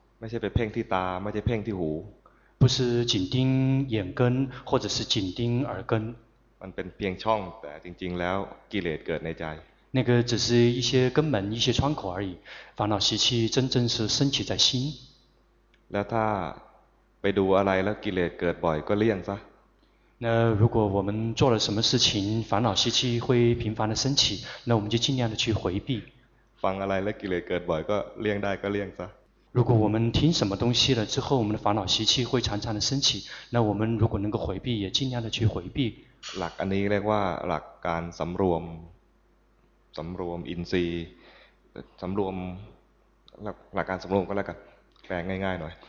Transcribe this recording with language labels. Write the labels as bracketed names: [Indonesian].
[Thai] ไม่ใช่ไปเพ่งที่ตาไม่ใช่เพ่งที่หู [Chinese] 不是紧盯眼根或者是紧盯耳根 [Thai] มันเป็นเพียงช่องแต่จริงๆแล้วกิเลสเกิดในใจ [Chinese] 那个只是一些根本一些窗口而已烦恼习气真正是升起在心 [Thai] แล้วถ้าไปดูอะไรแล้วกิเลสเกิดบ่อยก็เลี่ยงซะ [Chinese] 那如果我们做了什么事情烦恼习气会频繁的升起那我们就尽量的去回避 [Thai] ฟังอะไรแล้วกิเลสเกิดบ่อยก็เลี่ยงได้ก็เลี่ยงซะ [Chinese] 如果我们听什么东西了之后我们的烦恼习气会常常的升起那我们如果能够回避也尽量的去回避 [Thai] หลักอันนี้เรียกว่าหลักการสำรวมอินทรีย์สำรวมหลักการสำรวมก็แล้วกันแปลง่ายๆหน่อย